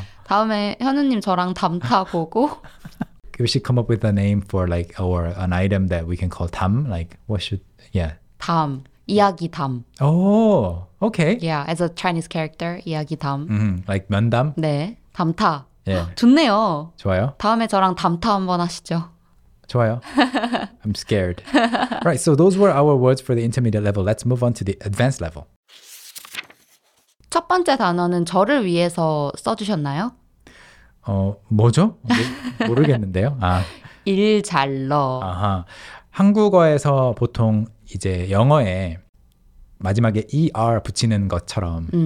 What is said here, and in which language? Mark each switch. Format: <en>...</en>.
<ko>다음에 현우님 저랑 담타 고고?</ko> <en>We should come up with a name for like, or an item that we can call 담. Like, what should, yeah.</en> <ko>담. 이야기 담.</ko> <en>Oh, okay. Yeah, as a Chinese character,</en> <ko>이야기 담.</ko> <en>Like 면담?</en> <ko>네. 담타.</ko> <en>Yeah.</en> <ko>좋네요. 좋아요. 다음에 저랑 담타 한번 하시죠. 좋아요.</ko> <en>I'm scared. Right, so those were our words for the intermediate level. Let's move on to the advanced level.</en> <ko>첫 번째 단어는 저를 위해서 써주셨나요? 뭐죠? 모르겠는데요. 아. 일 잘러. 아하. 한국어에서 보통 이제 영어에 마지막에 ER 붙이는 것처럼</ko>